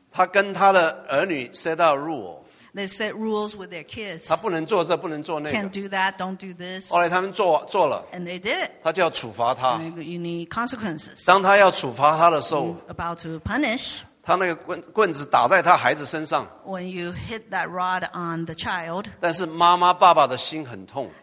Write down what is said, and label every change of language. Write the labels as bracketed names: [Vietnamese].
[Chinese] 他跟他的儿女 [English] set out rule They set rules with their kids. [Chinese] 他不能做这，不能做那个。 [English] Can't do that, don't do this. [Chinese] 后来他们做了。 [English] And they did. [Chinese] 他就要处罚他。 [English] You need consequences. [Chinese] 当他要处罚他的时候。 [English] About to punish. [Chinese] 他那个棍子打在他孩子身上。 [English] When you hit that rod on the child. [Chinese] 但是妈妈爸爸的心很痛。